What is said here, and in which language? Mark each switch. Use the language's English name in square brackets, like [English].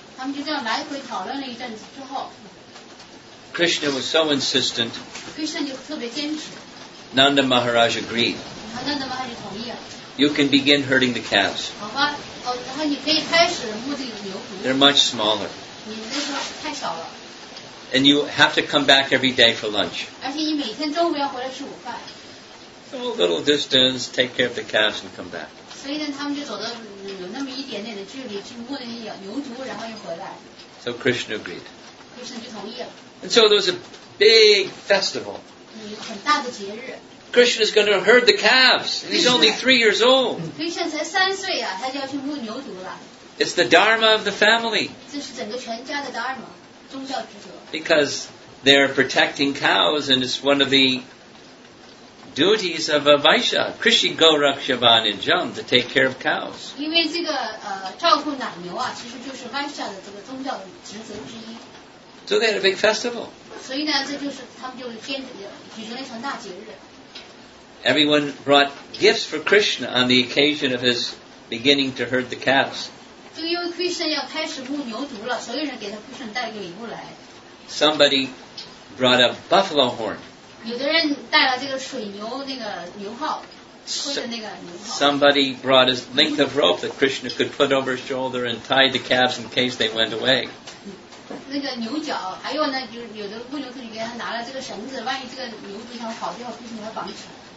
[Chinese] 他们就这样来回讨论了一阵子之后 [English] Krishna was so insistent [Chinese] Krishna 就特别坚持 [English] Nanda Maharaj agreed [Chinese] Nanda Maharaj 就同意了 [English] You can begin herding the calves. [Chinese] 好吧，哦，然后你可以开始牧这个牛犊。 [English] They're much smaller. [Chinese] 你那时候太小了。 [English] And you have to come back every day for lunch. [Chinese] 而且你每天中午要回来吃午饭。 [English] So a little distance, take care of the calves and come back. [Chinese] 所以呢，他们就走到有那么一点点的距离去牧那些牛犊，然后又回来。 [English] So Krishna agreed. [Chinese] Krishna 就同意了。 [English] And so there was a big festival. [Chinese] 嗯，很大的节日。 [English] Krishna is going to herd the calves. He's only 3 years old. [Chinese] Krishna 才三岁啊，他就要去牧牛犊了。 [English] It's the dharma of the family. [Chinese] 这是整个全家的 dharma， 宗教职责。 [English] Because they're protecting cows, and it's one of the duties of a vaishya, krishi gorakshavan in jam, to take care of cows. [Chinese] 因为这个照顾奶牛啊，其实就是 vaishya 的这个宗教职责之一。 [English] So they had a big festival. [Chinese] 所以呢，这就是他们就建举行了一场大节日。 [English] Everyone brought gifts for Krishna on the occasion of his beginning to herd the calves. [Chinese] 就因为 Krishna 要开始牧牛犊了，所有人给他 Krishna 带个礼物来。 [English] Somebody brought a buffalo horn. [Chinese] 有的人带了这个水牛那个牛号，或者那个牛号。 [English] Somebody brought a length of rope that Krishna could put over his shoulder and tie the calves in case they went away. [Chinese] 那个牛角，还有呢，有的牧牛犊给他拿了这个绳子，万一这个牛犊想跑掉 ，Krishna 要绑起来。